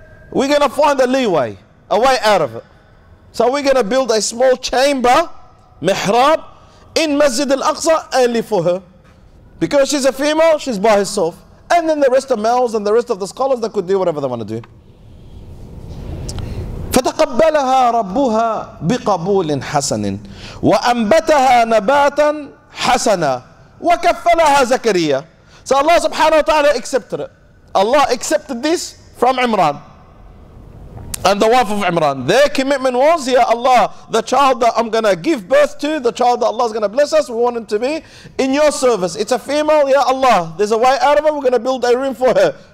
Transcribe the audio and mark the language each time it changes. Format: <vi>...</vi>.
<en>We're gonna find a leeway, a way out of it. So we're gonna build a small chamber, mihrab, in Masjid al-Aqsa only for her. Because she's a female, she's by herself. And then the rest of males and the rest of the scholars, they could do whatever they want to do.</en> <ar>فتقبلها ربها بقبول حسن وأنبتها نباتا حسنا وكفلها زكريا.</ar> <en>So Allah subhanahu wa ta'ala accepted it. Allah accepted this from Imran and the wife of Imran. Their commitment was, yeah Allah, the child that I'm going to give birth to, the child that Allah is going to bless us, we want him to be in your service. It's a female, yeah Allah, there's a way out of it, we're going to build a room for her.</en>